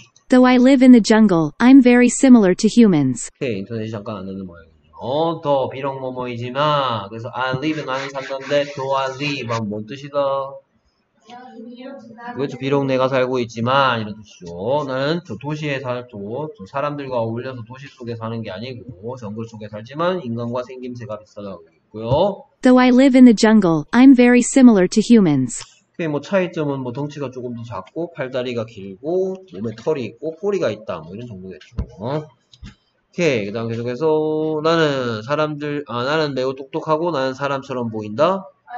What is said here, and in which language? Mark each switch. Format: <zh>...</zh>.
<en>Though I live in the jungle, I'm very similar to humans.</en> <ko>오케이, 인터넷이 잠깐 안 되는 모양이네요. 더 비록모모이지만, 그래서</ko> <en>I live in</en> <ko>나는 산다인데,</ko> <en>Do I live?</en> <ko>뭔 뜻이다? 그렇죠. 비록 내가 살고 있지만, 이런 뜻이죠. 나는 저 도시에 살고, 사람들과 어울려서 도시 속에 사는 게 아니고, 정글 속에 살지만, 인간과 생김새가 비슷하다고 있고요.</ko> <en>Though I live in the jungle, I'm very similar to humans.</en> <ko>그게 뭐 차이점은 뭐 덩치가 조금 더 작고, 팔다리가 길고, 몸에 털이 있고, 꼬리가 있다. 뭐 이런 정도겠죠. 오케이. 그 다음 계속해서, 나는 매우 똑똑하고, 나는 사람처럼 보인다.</ko>